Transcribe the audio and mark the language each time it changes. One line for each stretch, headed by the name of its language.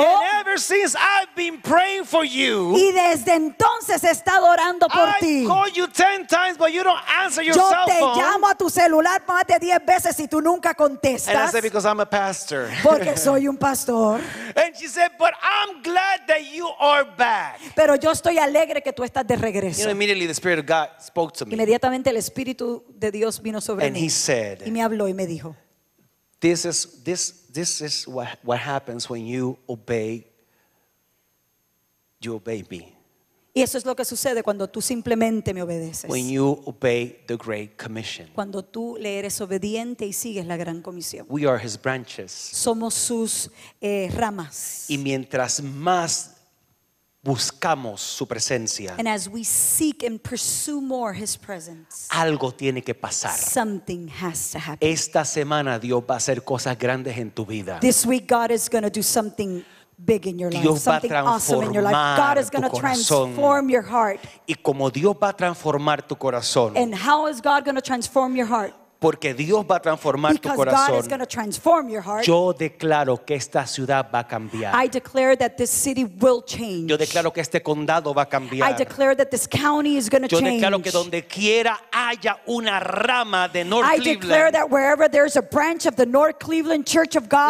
English: And ever since I've been praying for you,
Spanish: y desde entonces he estado orando por ti. Yo te llamo a tu celular más de 10 veces y tú nunca contestas.
English: And I said, because I'm a pastor.
Spanish: Porque soy un pastor.
English: And she said, but I'm glad that you are back.
Spanish: Pero yo estoy alegre que tú estás de regreso.
English: Immediately the Spirit of God spoke to me.
Spanish: Inmediatamente el Espíritu de Dios vino sobre mí.
English: And he said,
Spanish: y me habló y me dijo,
English: This is what happens when you obey me.
Spanish: Y eso es lo que sucede cuando tú simplemente me obedeces.
English: When you obey the Great Commission.
Spanish: Cuando tú le eres obediente y sigues la Gran Comisión.
English: We are his branches.
Spanish: Somos sus ramas. Y mientras más buscamos su presencia,
English: and as we seek and pursue more his presence,
Spanish: algo tiene que pasar.
English: Something has to happen.
Spanish: Esta semana Dios va a hacer cosas grandes en tu vida.
English: This week God is going to do something big in your life,
Spanish: Dios
English: something awesome in your life. God is going to transform your heart.
Spanish: Y como Dios va a transformar tu corazón,
English: and how is God going to transform your heart?
Spanish: Porque Dios va a transformar
English: because
Spanish: tu corazón.
English: God is going to transform your heart.
Spanish: Yo declaro que esta ciudad va a cambiar.
English: I declare that this city will change.
Spanish: Yo declaro que este condado va a cambiar.
English: I declare that this county is going to
Spanish: yo
English: change.
Spanish: Yo declaro que donde quiera haya una rama de North
English: I Cleveland. I declare that wherever there's a branch of the North Cleveland Church of God.